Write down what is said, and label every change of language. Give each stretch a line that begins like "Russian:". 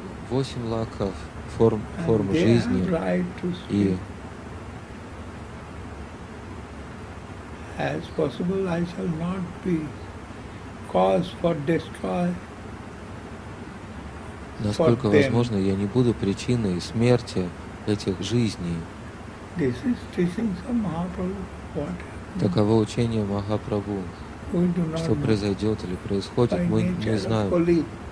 Russian: Восемь лаков форм жизни и
English: as possible I shall not be cause for destroy.
Russian: Насколько возможно, я не буду причиной смерти этих жизней.
English: This is teaching of Mahaprabhu.
Russian: Таково учение Махапрабху. Что произойдет или происходит, мы не знаем.